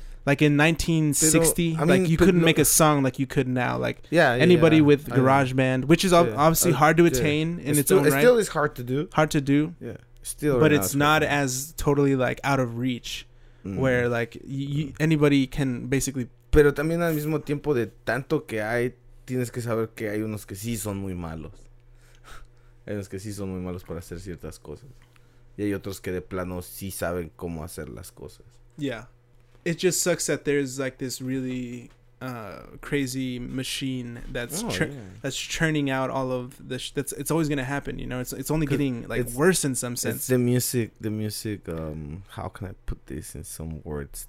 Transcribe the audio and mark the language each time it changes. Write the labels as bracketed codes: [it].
[en] Like in 1960, make a song like you could now. Like anybody with GarageBand, which is obviously hard to attain in its own right. It still is hard to do. Hard to do. Yeah, still. But it's not as totally like out of reach, where like anybody can basically. [es] Pero también al mismo tiempo de tanto que hay, tienes que saber que hay unos que sí son muy malos. Hay unos que sí son muy malos para hacer ciertas cosas. Y hay otros que de plano sí saben cómo hacer las cosas. [en] Yeah. It just sucks that there's like this really crazy machine that's that's churning out all of this. It's always going to happen, you know? It's only getting like worse in some sense. It's the music, how can I put this in some words?